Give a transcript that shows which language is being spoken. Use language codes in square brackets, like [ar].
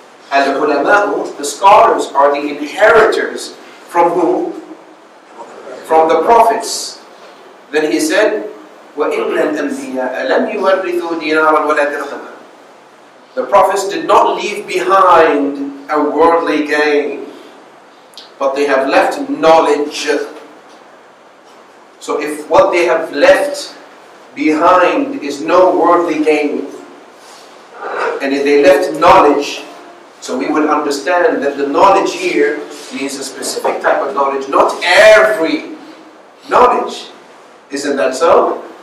[en] Al-ulama'u, the scholars are the inheritors from whom? From the prophets. Then he said, [ar] وَإِنَّ الْأَنْبِيَاءَ لَمْ يُوَرِّثُوا دِينَارًا وَلَا دِرْهَمًا. [en] The prophets did not leave behind a worldly gain, but they have left knowledge. So if what they have left behind is no worldly gain, and if they left knowledge, so we would understand that the knowledge here means a specific type of knowledge, not every knowledge. Isn't that so?